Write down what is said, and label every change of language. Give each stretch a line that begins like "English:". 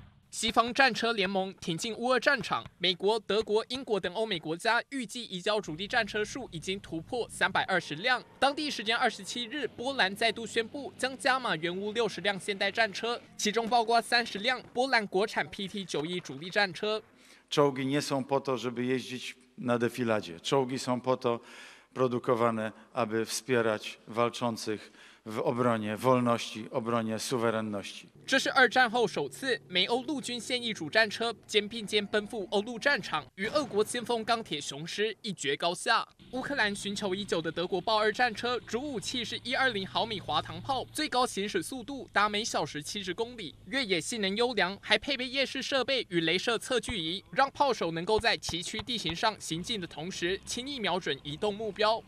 Chinese: 西方战车联盟挺进乌俄战场，美国、德国、英国等欧美国家预计移交主力战车数已经突破320辆。当地时间27日，波兰再度宣布将加码援乌60辆现代战车，其中包括30辆波兰国产 PT-91 主力战车。
Polish: Czołgi nie są po to, żeby jeździć na defiladzie. Czołgi są po to produkowane, aby wspierać walczących w obronie wolności, obronie suwerenności.
Chinese: 这是二战后首次美欧陆军现役主战车肩并肩奔赴欧陆战场，与俄国先锋钢铁雄狮一决高下。乌克兰寻求已久的德国豹二战车主武器是120毫米滑膛炮，最高行驶速度达每小时70公里，越野性能优良，还配备夜视设备与雷射测距仪，让炮手能够在崎岖地形上行进的同时，轻易瞄准移动目标。